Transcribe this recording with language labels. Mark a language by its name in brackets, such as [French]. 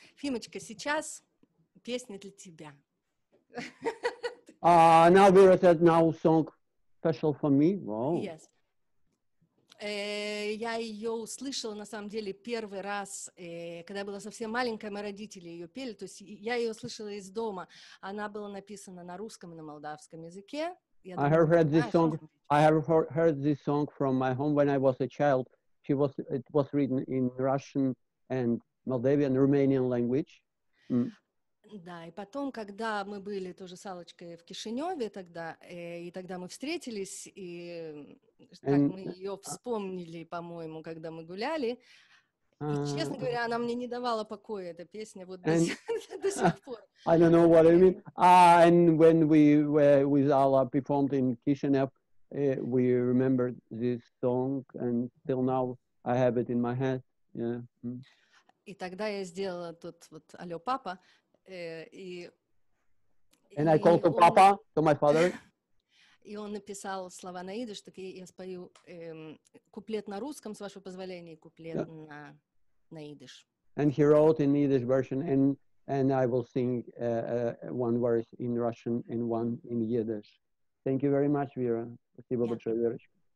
[Russian] Фимочка, сейчас песня для тебя. [English] Now we're at now song special for me. Wow. Yes. [Russian] Я ее услышала на самом деле первый раз, когда была совсем маленькая, мои родители ее пели. То есть я ее слышала из дома. Она была написана на русском и на молдавском языке. [English] I have heard this song. I have heard this song from my home when I was a child. She was it was written in Russian and Moldavian, Romanian language. Mm. [Russian] Да, и потом, когда мы были тоже с Аллочкой в Кишиневе тогда, и тогда мы встретились, и так мы ее вспомнили, по-моему, когда мы гуляли. И, честно говоря, она мне не давала покоя, эта песня, вот до сих пор. [English] I don't know what I mean. And when we were with Alla performed in Kishinev, we remembered this song, and till now I have it in my head. Yeah. Mm. [Russian] И тогда я сделала тут вот «Алло, папа». [English] And I called to Papa, to my father. [Russian] И он написал слова на идиш, так я спою куплет на русском, с вашего позволения, куплет на идиш. [English] And he wrote in Yiddish version, and I will sing one verse in Russian and one in Yiddish. Thank you very much, Vera. [Russian] Спасибо большое, Верочка.